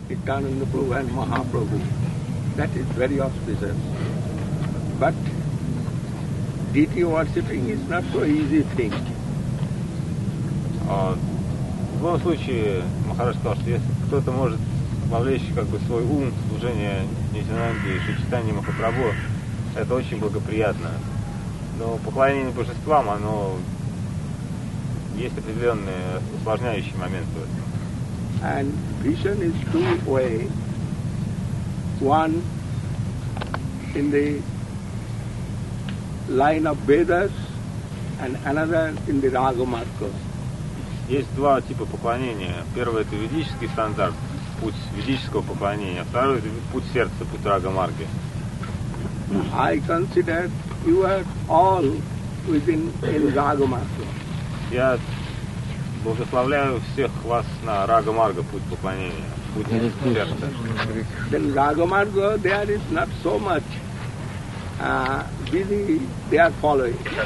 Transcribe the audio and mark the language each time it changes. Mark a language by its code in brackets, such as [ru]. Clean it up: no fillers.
[en] down in the Blue and Mahaprabhu. That is very auspicious. But deity worshipping is not so easy thing. [ru] В любом случае, Махарадж сказал, что если кто-то может вовлечь как бы свой ум в служение Нитянанде и Шичитанде Махапрабху, это очень благоприятно. Но поклонение божествам, оно есть определенные усложняющие моменты в этом. [en] And vision is two way. One in the line of Vedas and another in the Raga Marga. [ru] Есть два типа поклонения. Первый – это ведический стандарт, путь ведического поклонения. Второй – это путь сердца, путь рага-марги. [en] I consider you are all within in рага-марга. [ru] Я благословляю всех вас на рага-марга, путь поклонения, путь сердца. [en] Then рага-марга, there is not so much busy they are following.